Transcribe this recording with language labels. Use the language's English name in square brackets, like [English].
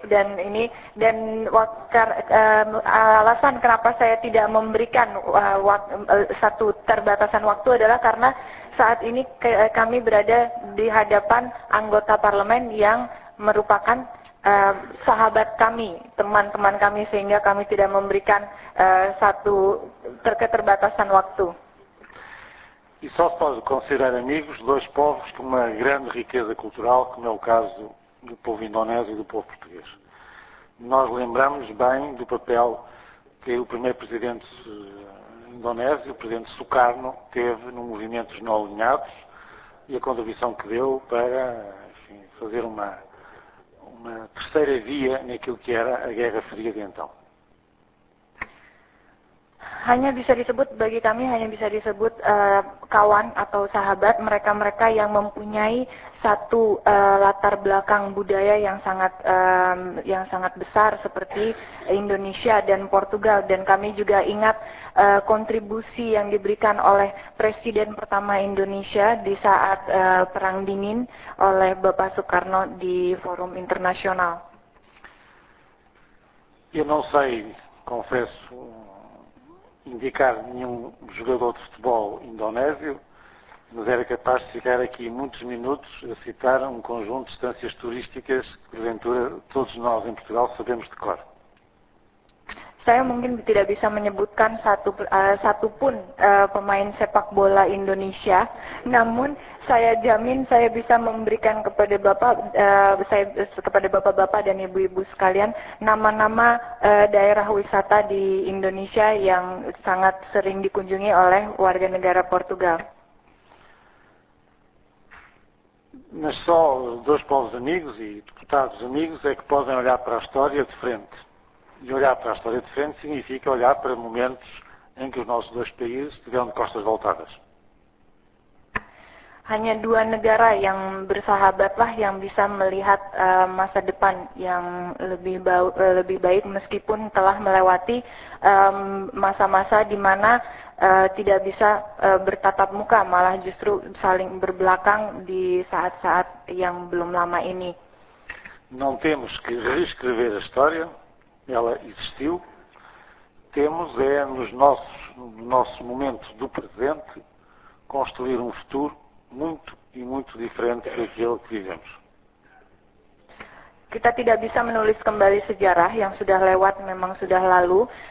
[Indonesian] Dan ini dan alasan kenapa saya tidak memberikan satu terbatasan waktu adalah karena saat ini kami berada di hadapan anggota parlemen yang merupakan sahabat kami, teman-teman kami, sehingga kami tidak memberikan satu keterbatasan waktu. [Portuguese] E só se pode considerar amigos dois povos com uma grande riqueza cultural, como é o caso do povo indonésio e do povo português. Nós lembramos bem do papel que o primeiro presidente indonésio, o presidente Sukarno, teve no movimento dos não alinhados e a contribuição que deu para, enfim, fazer uma terceira via naquilo que era a Guerra Fria de então. [Indonesian] Hanya bisa disebut, bagi kami hanya bisa disebut kawan atau sahabat, mereka-mereka yang mempunyai satu latar belakang budaya yang sangat besar seperti Indonesia dan Portugal. Dan kami juga ingat kontribusi yang diberikan oleh Presiden pertama Indonesia di saat Perang Dingin oleh Bapak Sukarno di Forum Internasional. [Portuguese] Eu não sei, confesso, indicar nenhum jogador de futebol indonésio, mas era capaz de ficar aqui muitos minutos a citar um conjunto de estâncias turísticas que, porventura, todos nós em Portugal sabemos de cor. [Indonesian] Saya mungkin tidak bisa menyebutkan satu pun pemain sepak bola Indonesia, namun saya jamin saya bisa memberikan kepada bapak-bapak dan ibu-ibu sekalian nama-nama daerah wisata di Indonesia yang sangat sering dikunjungi oleh warga negara Portugal. [Portuguese] Mas só dois povos amigos e deputados amigos é que podem olhar para a história de frente. E olhar para a história de frente significa olhar para momentos em que os nossos dois países tiveram de costas voltadas. [Indonesian] Hanya dua negara yang bersahabatlah yang bisa melihat masa depan yang lebih baik meskipun telah melewati masa-masa di mana tidak bisa bertatap muka, malah justru saling berbelakang di saat-saat yang belum lama ini. [Portuguese] Não temos que reescrever a história. Ela existiu. Temos é no nosso momento do presente construir um futuro muito e muito diferente daquele que vivemos. [Indonesian] Kita tidak bisa menulis kembali sejarah yang sudah lewat, memang sudah lalu.